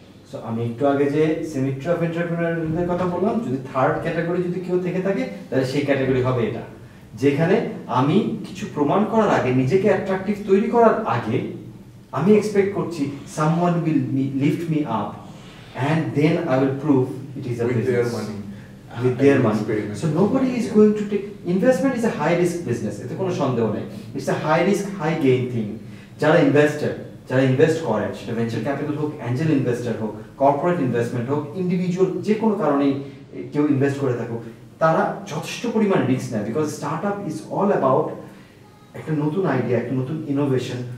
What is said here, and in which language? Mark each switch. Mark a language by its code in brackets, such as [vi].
[bn] So আমি একটু আগে যে সিমিট্রি অফ এন্টারপ্রেনারদের কথা বললাম যদি থার্ড ক্যাটাগরি যদি কেউ থেকে থাকে তাহলে সেই ক্যাটাগরি হবে এটা যেখানে আমি কিছু প্রমাণ করার আগে নিজেকে অ্যাট্রাকটিভ তৈরি করার আগে আমি এক্সপেক্ট করছি [en] Someone will lift me up and then I will prove it is a business with their money. So nobody is going to take... Investment is a high-risk business. [bn] এতে কোনো সন্দেহ নেই. [en] It's a high-risk, high-gain thing. [bn] যারা investor, যারা invest করে, সেটা venture capital হোক, Angel investor হোক, কর্পোরেট ইনভেস্টমেন্ট হোক, ইন্ডিভিজুয়াল যে কোনো কারণেই কেউ ইনভেস্ট করে থাকুক, তারা যথেষ্ট পরিমাণে রিস্ক নেয় [en] because start up is all about [bn] একটা নতুন আইডিয়া, একটা নতুন ইনোভেশন.